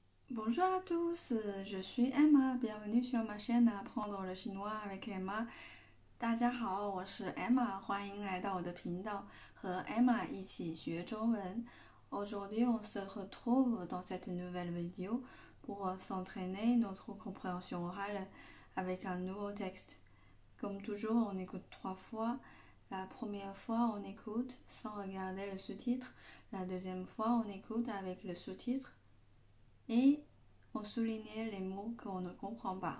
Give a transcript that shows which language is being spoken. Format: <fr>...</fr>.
<fr>Bonjour à tous, je suis Emma, bienvenue sur ma chaîne Apprendre le chinois avec Emma.</fr> <zh>大家好，我是 Emma，欢迎来到我的频道，和 Emma一起学中文。</zh> <fr>Aujourd'hui, on se retrouve dans cette nouvelle vidéo pour s'entraîner notre compréhension orale avec un nouveau texte. Comme toujours, on écoute trois fois. La première fois, on écoute sans regarder le sous-titre. La deuxième fois, on écoute avec le sous-titre. Et on soulignait les mots qu'on ne comprend pas.</fr>